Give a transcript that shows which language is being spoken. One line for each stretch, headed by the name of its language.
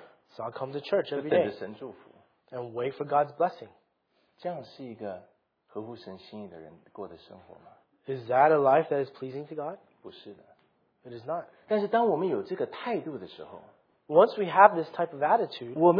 English: So I'll come to church every day.
Chinese: 就等着神祝福。
English: And wait for God's blessing.
Chinese: 这样是一个合乎神心意的人过的生活吗?
English: Is that a life that is pleasing to God?
Chinese: 不是的。
English: It is not.
Chinese: 但是当我们有这个态度的时候,
English: Once we have this type of attitude,